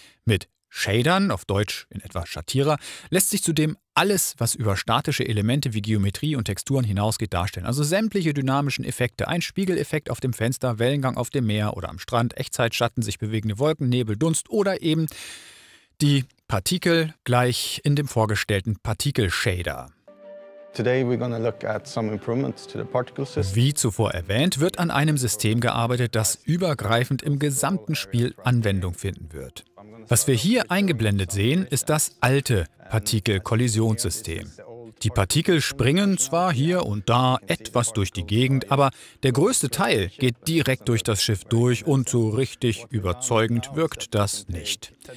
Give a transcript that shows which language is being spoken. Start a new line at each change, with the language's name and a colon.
German: Mit Shadern, auf Deutsch in etwa Schattierer, lässt sich zudem alles, was über statische Elemente wie Geometrie und Texturen hinausgeht, darstellen. Also sämtliche dynamischen Effekte, ein Spiegeleffekt auf dem Fenster, Wellengang auf dem Meer oder am Strand, Echtzeitschatten, sich bewegende Wolken, Nebel, Dunst oder eben die Partikel gleich in dem vorgestellten Partikel-Shader.
English: Today we're going to look at some improvements to the particle system.
German: Wie zuvor erwähnt, wird an einem System gearbeitet, das übergreifend im gesamten Spiel Anwendung finden wird. Was wir hier eingeblendet sehen, ist das alte Partikel-Kollisionssystem. Die Partikel springen zwar hier und da etwas durch die Gegend, aber der größte Teil geht direkt durch das Schiff durch und so richtig überzeugend wirkt das nicht.